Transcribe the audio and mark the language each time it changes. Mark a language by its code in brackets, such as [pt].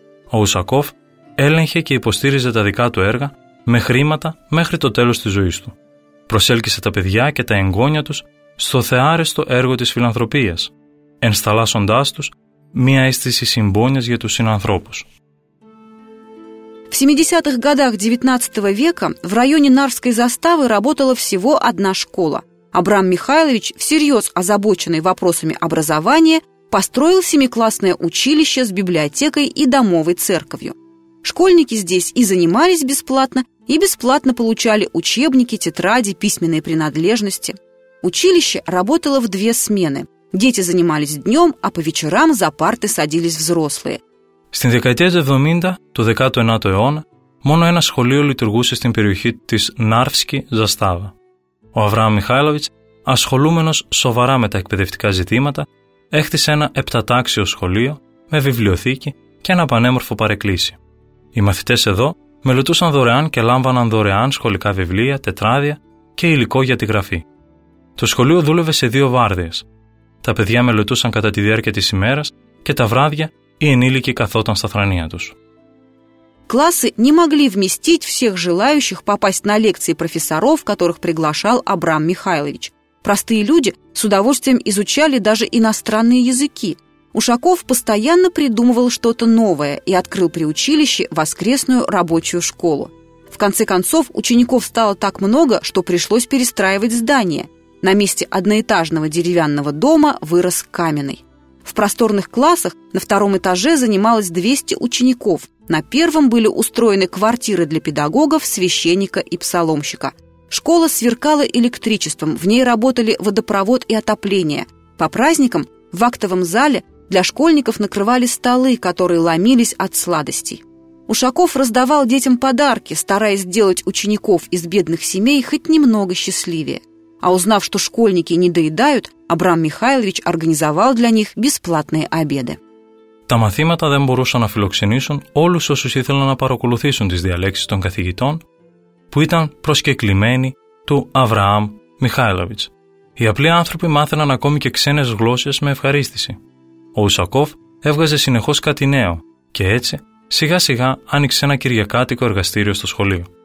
[el] Ο Ουσακόφ έλεγχε και υποστήριζε τα δικά του έργα με χρήματα μέχρι το τέλος της ζωής του. Προσέλκυσε τα παιδιά και τα εγγόνια τους στο θεάρεστο έργο της φιλανθρωπίας, ενσταλάσσοντάς τους μία αίσθηση συμπόνιας για τους συνανθρώπους. [ru] В 70-х годах 19 века в районе Нарвской заставы работала всего одна школа. Абрам Михайлович, всерьез озабоченный вопросами образования, построил семиклассное училище с библиотекой и домовой церковью. Школьники здесь и занимались бесплатно, и бесплатно получали учебники, тетради, письменные принадлежности. Училище работало в две смены. Дети занимались днем, а по вечерам за парты садились взрослые. [el] Στην δεκαετία του 70 του 19ου αιώνα, μόνο ένα σχολείο λειτουργούσε στην περιοχή της Νάρφσκη Ζαστάβα. Ο Αβραάμ Μιχάηλοβιτς, ασχολούμενος σοβαρά με τα εκπαιδευτικά ζητήματα, έκτισε ένα επτατάξιο σχολείο με βιβλιοθήκη και ένα πανέμορφο παρεκκλήσι. Οι μαθητές εδώ μελετούσαν δωρεάν και λάμβαναν δωρεάν σχολικά βιβλία, τετράδια και υλικό για τη γραφή. Το σχολείο δούλευε σε δύο βάρδιες. Τα παιδιά μελετούσαν κατά τη διάρκεια της ημέρας και τα βράδια οι ενήλικοι καθόταν στα θρανία τους. [ru] Классы не могли вместить всех желающих попасть на лекции профессоров, которых приглашал Абрам Михайлович. Простые люди с удовольствием изучали даже иностранные языки. Ушаков постоянно придумывал что-то новое и открыл при училище воскресную рабочую школу. В конце концов, учеников стало так много, что пришлось перестраивать здание. На месте одноэтажного деревянного дома вырос каменный. В просторных классах на втором этаже занималось 200 учеников. На первом были устроены квартиры для педагогов, священника и псаломщика. Школа сверкала электричеством, в ней работали водопровод и отопление. По праздникам в актовом зале для школьников накрывали столы, которые ломились от сладостей. Ушаков раздавал детям подарки, стараясь сделать учеников из бедных семей хоть немного счастливее. А узнав, что школьники не доедают, Абрам Михайлович организовал для них бесплатные обеды. [el] Τα μαθήματα δεν μπορούσαν να φιλοξενήσουν όλους όσους ήθελαν να παρακολουθήσουν τις διαλέξεις των καθηγητών που ήταν προσκεκλημένοι του Αβραάμ Μιχάηλοβιτς. Οι απλοί άνθρωποι μάθαιναν ακόμη και ξένες γλώσσες με ευχαρίστηση. Ο Ουσακόφ έβγαζε συνεχώς κάτι νέο και έτσι σιγά σιγά άνοιξε ένα κυριακάτικο εργαστήριο στο σχολείο.